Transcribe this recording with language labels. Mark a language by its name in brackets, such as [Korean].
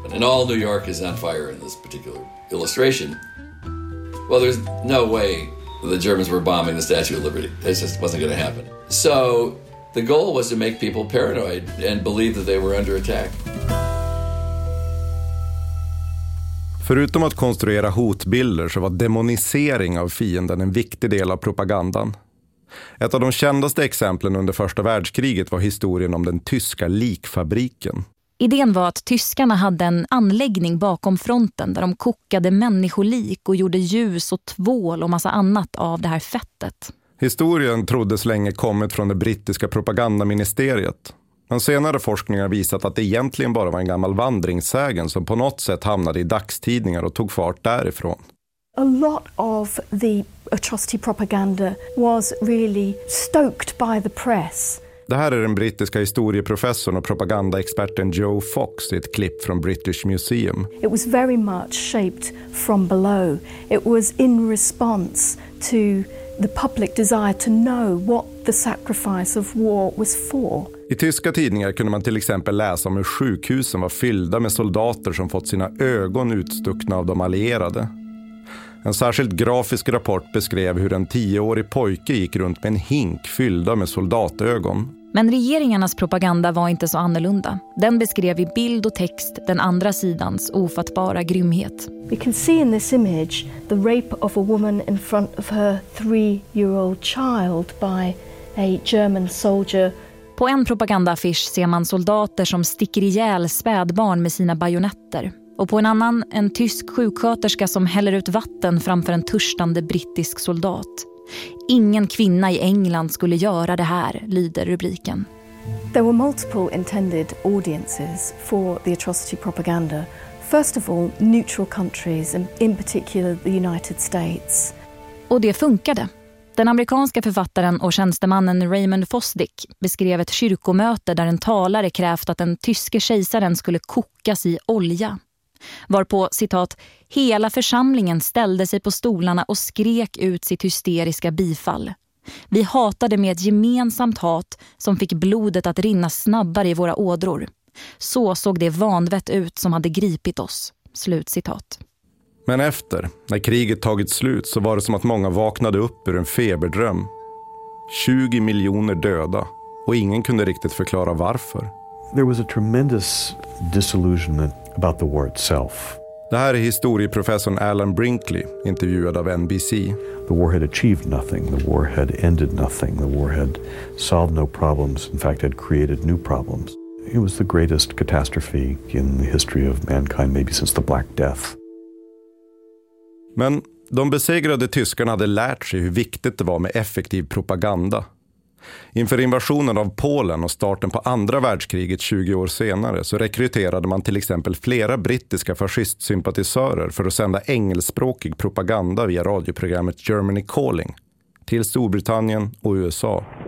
[English] And all New York is on fire in this particular illustration. Well, there's no way the Germans were bombing the Statue of Liberty. It just wasn't going to happen. So the goal was to make people paranoid and believe that they were under attack. [Swedish] Förutom att konstruera hotbilder så var demonisering av fienden en viktig del av propagandan. Ett av de kändaste exemplen under första världskriget var historien om den tyska likfabriken. Idén var att tyskarna hade en anläggning bakom fronten där de kokade människolik och gjorde ljus och tvål och massa annat av det här fettet. Historien troddes länge kommit från det brittiska propagandaministeriet. Men senare forskningar visat att det egentligen bara var en gammal vandringssägen som på något sätt hamnade i dagstidningar och tog fart därifrån. [English] A lot of the atrocity propaganda was really stoked by the press. [Swedish] Det här är den brittiska historieprofessorn och propagandaexperten Joe Fox i ett klipp från British Museum. [English] It was very much shaped from below. It was in response to the public desire to know what the sacrifice of war was for. [Swedish] I tyska tidningar kunde man till exempel läsa om hur sjukhusen var fyllda med soldater som fått sina ögon utstuckna av de allierade. En särskilt grafisk rapport beskrev hur en 10-årig pojke gick runt med en hink fyllda med soldatögon. Men regeringarnas propaganda var inte så annorlunda. Den beskrev i bild och text den andra sidans ofattbara grymhet. [English] We can see in this image the rape of a woman in front of her 3-year-old child by a German soldier. [Swedish] På en propagandaaffisch ser man soldater som sticker ihjäl spädbarn med sina bajonetter. Och på en annan, en tysk sjuksköterska som häller ut vatten framför en törstande brittisk soldat. Ingen kvinna i England skulle göra det här, lyder rubriken. [English] There were multiple intended audiences for the atrocity propaganda. First of all, neutral countries, in particular the United States. [Swedish] Och det funkade. Den amerikanska författaren och tjänstemannen Raymond Fosdick beskrev ett kyrkomöte där en talare krävt att den tyske kejsaren skulle kokas i olja. Varpå, citat, hela församlingen ställde sig på stolarna och skrek ut sitt hysteriska bifall. Vi hatade med ett gemensamt hat som fick blodet att rinna snabbare i våra ådror. Så såg det vanvett ut som hade gripit oss. Slutcitat. Men efter, när kriget tagit slut, så var det som att många vaknade upp ur en feberdröm. 20 miljoner döda, och ingen kunde riktigt förklara varför. [English] There was a tremendous disillusionment about the war itself. [Swedish] Det här är historieprofessorn Alan Brinkley, intervjuad av NBC. [English] The war had achieved nothing. The war had ended nothing. The war had solved no problems. In fact, had created new problems. It was the greatest catastrophe in the history of mankind, maybe since the Black Death. [Swedish] Men de besegrade tyskarna hade lärt sig hur viktigt det var med effektiv propaganda. Inför invasionen av Polen och starten på andra världskriget 20 år senare så rekryterade man till exempel flera brittiska fascistsympatisörer för att sända engelskspråkig propaganda via radioprogrammet Germany Calling till Storbritannien och USA.